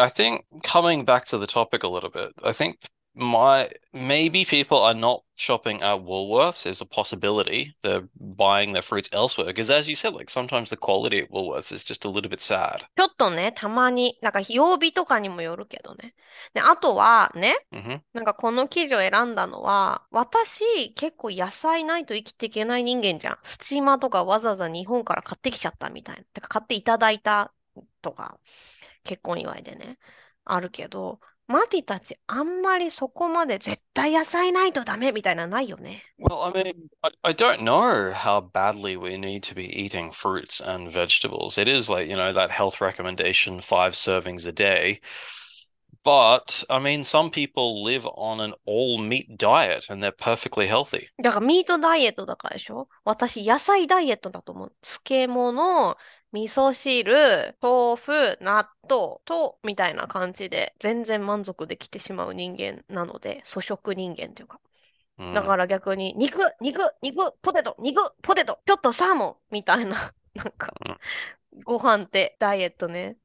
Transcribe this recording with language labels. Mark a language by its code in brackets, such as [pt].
[en] I think coming back to the topic a little bit, I think maybe people are not shopping at Woolworths is a possibility. They're buying their fruits elsewhere. Because as you said, like sometimes the quality at Woolworths is just a little bit sad. [ja] ちょっとね、たまに、なんか曜日とかにもよるけどね。で、あとはね、なんかこの記事を選んだのは、私、結構野菜ないと生きていけない人間じゃん。スチーマーとかわざわざ日本から買ってきちゃったみたいな。てか買っていただいたとか、結婚祝いでね、あるけど、マティたち、あんまりそこまで絶対野菜ないとダメみたいなないよね。 [en] Well, I mean, I don't know how badly we need to be eating fruits and vegetables. It is like, that health recommendation, 5 servings a day. But, I mean, some people live on an all meat diet and they're perfectly healthy. [ja] だからミートダイエットだからでしょ？私、野菜ダイエットだと思う。漬物、味噌汁、豆腐、納豆と、みたいな感じで、全然満足できてしまう人間なので、粗食人間というか。だから逆に、肉、ポテト、ちょっとサーモン、みたいな、なんか、ご飯ってダイエットね。